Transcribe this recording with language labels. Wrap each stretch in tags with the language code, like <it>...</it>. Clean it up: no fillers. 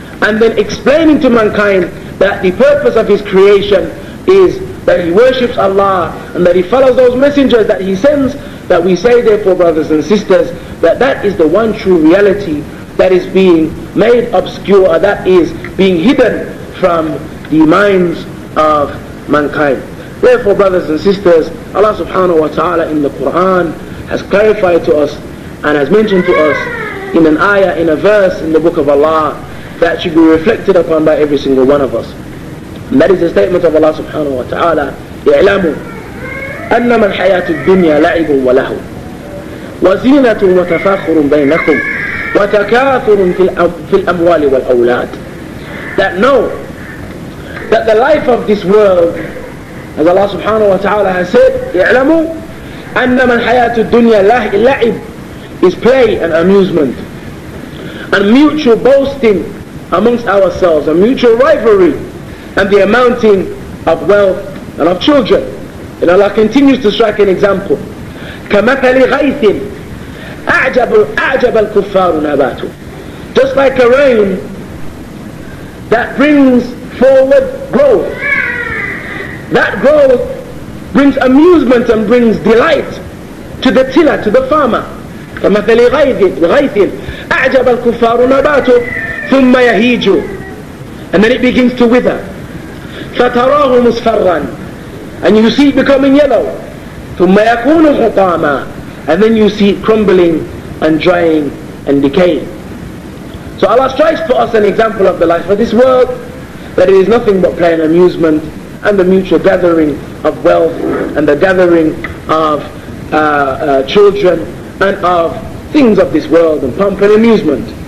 <en>and then explaining to mankind that the purpose of his creation is that he worships Allah and that he follows those messengers that he sends, that we say therefore, brothers and sisters, that that is the one true reality that is being made obscure, that is being hidden from the minds of mankind. Therefore, brothers and sisters, Allah subhanahu wa ta'ala in the Quran has clarified to us and has mentioned to us in an ayah, in a verse in the book of Allah, that should be reflected upon by every single one of us. And that is the statement of Allah subhanahu wa ta'ala,</en> <ar>يَعْلَمُ أَنَّمَا الْحَيَاةُ الدُّنْيَا لَعِبٌ وَلَهُ وَزِينَةٌ وَتَفَاخُرٌ بَيْنَكُمْ وَتَكَاثُرٌ فِي الْأَمْوَالِ وَالْأَوْلَادِ.</ar> <en>That know that the life of this world, as Allah subhanahu wa ta'ala has said,</en> <ar>يَعْلَمُ أَنَّمَا الْحَيَاةُ الدُّنْيَا لَعِبٌ,</ar> <en>is play and amusement, and mutual boasting amongst ourselves, and mutual rivalry, and the amounting of wealth and of children. And Allah continues to strike an example.</en> <ar>كَمَثَلِ غَيْثٍ أَعْجَبَ الْكُفَّارُ نَبَاتُ.</ar> <en>Just like a rain that brings forward growth, that growth brings amusement and brings delight to the tiller, to the farmer.</en> <ar>كمثل غيث أعجب الكفار نباته ثم يهيج,</ar> <en>and then it begins to wither.</en> <ar>فتراه مصفرا,</ar> <en>and you see it becoming yellow.</en> <ar>ثم يكون حطاما,</ar> <en>and then you see it crumbling and drying and decaying. So Allah strives for us an example of the life of this world, that it is nothing but play and amusement, and the mutual gathering of wealth, and the gathering of children, and of things of this world, and pomp and amusement.</en>